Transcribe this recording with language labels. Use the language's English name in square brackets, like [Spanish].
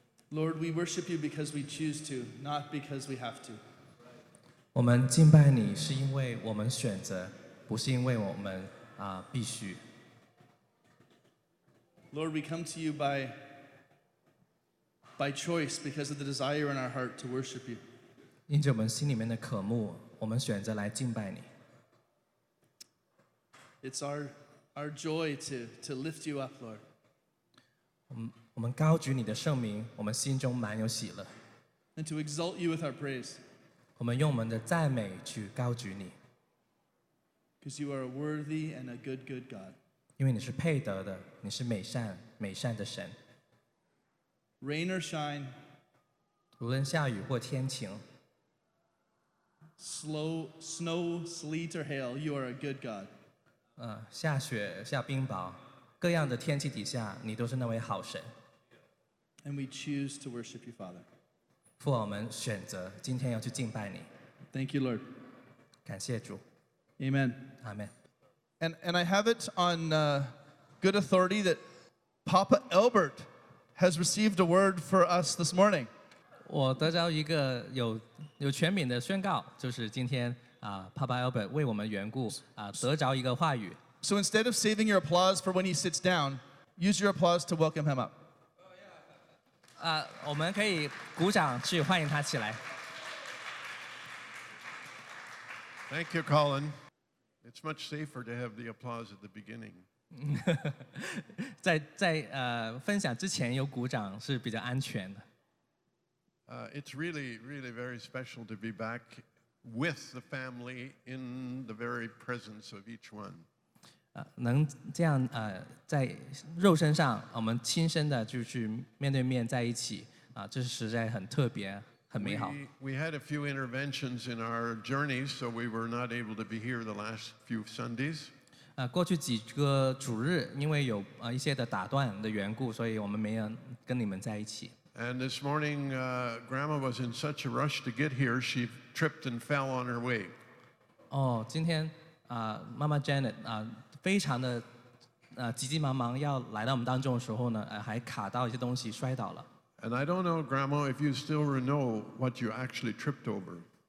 [English] Lord, we worship you because we choose to, not because we have to. [Chinese] 我们敬拜你是因为我们选择，不是因为我们必须。 [English] Lord, we come to you by choice because of the desire in our heart to worship you. [Chinese] 因着我们心里面的渴慕，我们选择来敬拜你。 [English] It's our joy to lift you up, Lord. [Chinese] 我们高举你的圣名，我们心中满有喜乐。 [English] And to exalt you with our praise. [Chinese] 我们用我们的赞美去高举你。 [English] Because you are a worthy and a good God. [Chinese] 因为你是配得的，你是美善的神。 [English] Rain or shine. [Chinese] 无论下雨或天晴。 [English] Snow, sleet, or hail, you are a good God. [Chinese] 下雪下冰雹，各样的天气底下，你都是那位好神。 [English] And we choose to worship you, Father. [Chinese] 父，我们选择今天要去敬拜你。 [English] Thank you, Lord. [Chinese] 感谢主。 [English] Amen. Amen. And I have it on good authority that Papa Albert has received a word for us this morning. [Chinese] 我得到一个有权柄的宣告，就是今天Papa Albert 为我们缘故得着一个话语。 [English] So instead of saving your applause for when he sits down, use your applause to welcome him up. [Chinese] 我们可以鼓掌去欢迎他起来。 [English] Thank you, Colin. It's much safer to have the applause at the beginning. [Chinese] 在分享之前有鼓掌是比较安全的。 [English] It's really, really very special to be back with the family in the very presence of each one. [Chinese] 能这样, 在肉身上, 我们亲身的, 就是面对面在一起, 这实在很特别, [English] we had a few interventions in our journey, so we were not able to be here the last few Sundays. [Chinese] 过去几个主日, 因为有, 一些的打断的缘故, 所以我们没有跟你们在一起。 [English] And this morning, Grandma was in such a rush to get here, she tripped and fell on her way. [Chinese] Oh, 今天, Mama Janet, 非常的, 急急忙忙要来到我们当中的时候呢, 还卡到一些东西, 摔倒了。 [English] And I don't know, Grandma, if you still know what you actually tripped over.